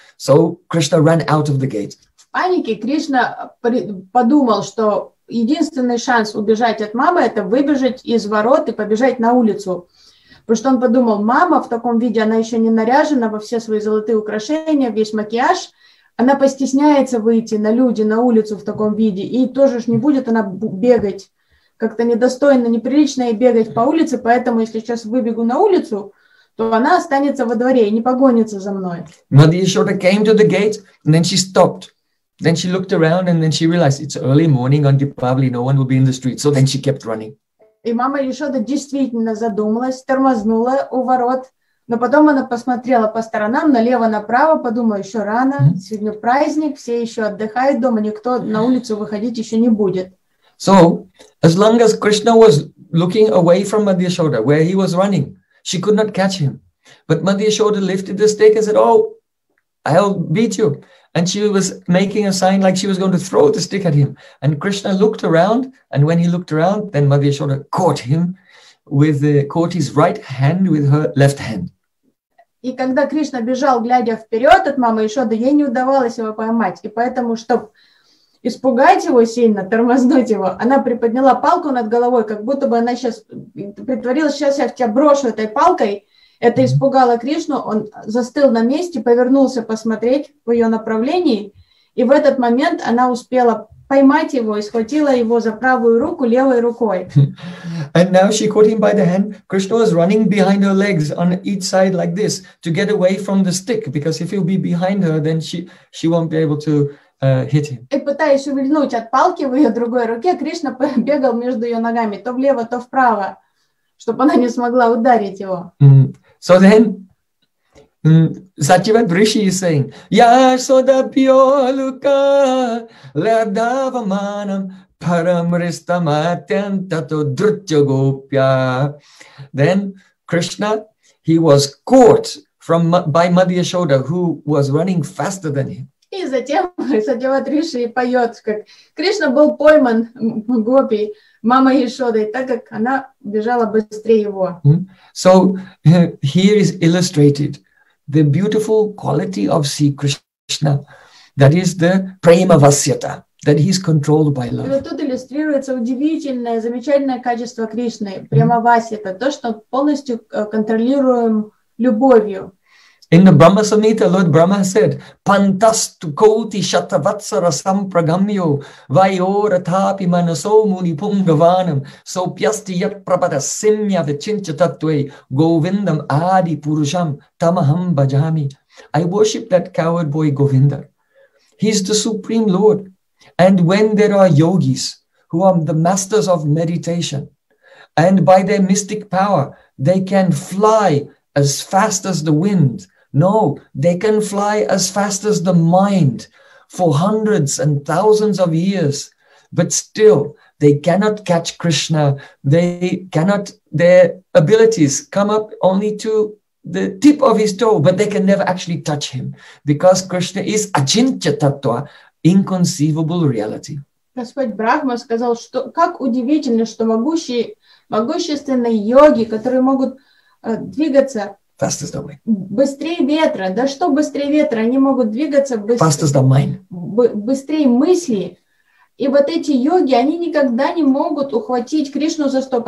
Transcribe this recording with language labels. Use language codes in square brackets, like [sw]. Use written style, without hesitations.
[en] So Krishna ran out of the gate. [ru] В панике Кришна подумал, что единственный шанс убежать от мамы – это выбежать из ворот и побежать на улицу. Потому что он подумал, мама в таком виде, она еще не наряжена во все свои золотые украшения, весь макияж. Она постесняется выйти на люди, на улицу в таком виде. И тоже ж не будет она бегать. Как-то недостойно, неприлично ей бегать по улице. Поэтому если сейчас выбегу на улицу, то она останется во дворе и не погонится за мной. [en] Mother Yashoda came to the gate, and then she stopped. Then she looked around and then she realized it's early morning on Deepavali, no one will be in the street. So then she kept running. [ru] И мама Яшода действительно задумалась, тормознула у ворот, но потом она посмотрела по сторонам, налево-направо, подумала, еще рано, сегодня праздник, все еще отдыхают дома, никто на улицу выходить еще не будет. [en] So, as long as Krishna was looking away from Mother Yashoda, where he was running, she could not catch him. But Mother Yashoda lifted the stick and said, oh, I'll beat you. And she was making a sign like she was going to throw the stick at him. And Krishna looked around, and when he looked around, then Mother Yashoda caught him with the caught his right hand with her left hand. [ru] И когда Кришна бежал, глядя вперед от мамы Яшоды, ей не удавалось его поймать. И поэтому, чтоб испугать его сильно, тормознуть его, она приподняла палку над головой, как будто бы она сейчас притворилась, сейчас я в тебя брошу этой палкой. Это испугало Кришну, он застыл на месте, повернулся посмотреть в ее направлении, и в этот момент она успела поймать его и схватила его за правую руку левой рукой. [en] And now she caught him by the hand. Krishna was running behind her legs on each side like this to get away from the stick, because if he'll be behind her, then she won't be able to hit him. [ru] И пытаясь увильнуть от палки в ее другой руке, Кришна бегал между ее ногами то влево, то вправо, чтобы она не смогла ударить его. [en] So then, Sachivat Rishi is saying, [sa] Yashoda Pyo Luka Ladavamanam Paramristamatyam Tato Drutya Gopya. [en] Then Krishna, he was caught by Mother Yashoda, who was running faster than him. [ru] И затем Сатьяват Риши поет, как Кришна был пойман гопи мамой Яшодой, так как она бежала быстрее его. [en] So here is illustrated the beautiful quality of Sri Krishna, that is the prema vasyata, that he is controlled by love. [ru] И вот тут иллюстрируется удивительное, замечательное качество Кришны, према васьята, то, что полностью контролируем любовью. [en] In the Brahma Samhita, Lord Brahma said, [sa] Pantastu koti shatavatsara sampragamyo vayoratapi manaso munipungavanam so pyasti yat prapada simya vichincha tattve govindam adi purusham tamaham bhajami. [en] I worship that coward boy Govinda. He is the supreme Lord. And when there are yogis who are the masters of meditation, and by their mystic power, they can fly as fast as the wind. No, they can fly as fast as the mind for hundreds and thousands of years, but still they cannot catch Krishna. They cannot, their abilities come up only to the tip of his toe, but they can never actually touch him because Krishna is achintya tattva, inconceivable reality. [ru] Господь Брахма сказал, что как удивительно, что могущие, могущественные йоги, которые могут двигаться быстрее ветра, да что быстрее ветра, они могут двигаться быстрее мысли. И вот эти йоги, они никогда не могут ухватить Кришну за стоп.